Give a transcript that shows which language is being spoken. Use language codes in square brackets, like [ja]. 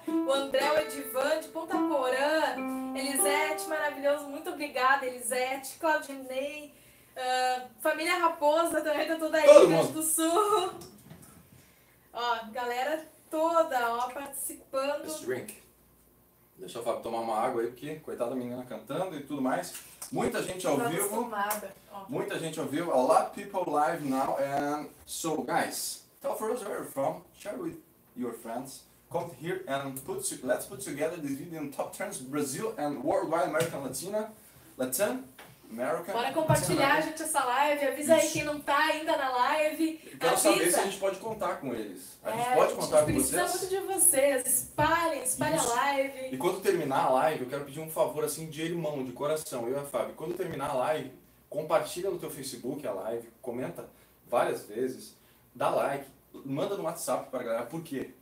[pt] O André, o Edivan, de Ponta Porã, Elisete, maravilhoso, muito obrigada, Elisete, Claudinei, família Raposa, também tá toda aí, Rio Grande do Sul. Ó, galera toda, ó, participando. [en] Let's drink. [pt] Deixa o Fábio tomar uma água aí, porque coitada da menina cantando e tudo mais. Muita gente ao vivo. Muita gente ao vivo. [en] A lot of people live now. And so, guys, tell for us where you're from. Share with your friends. Come here and let's put together this video in top trends Brazil and worldwide America Latina. Latin America. [pt] Bora compartilhar, gente, essa live. Avisa aí quem não tá ainda na live. Quero saber se a gente pode contar com eles. A gente pode contar com vocês. A gente precisa muito de vocês. Espalhem a live. E quando terminar a live, eu quero pedir um favor assim de irmão, de coração, eu e a Fábio. Quando terminar a live, compartilha no teu Facebook a live, comenta várias vezes, dá like, manda no WhatsApp pra galera. Por quê?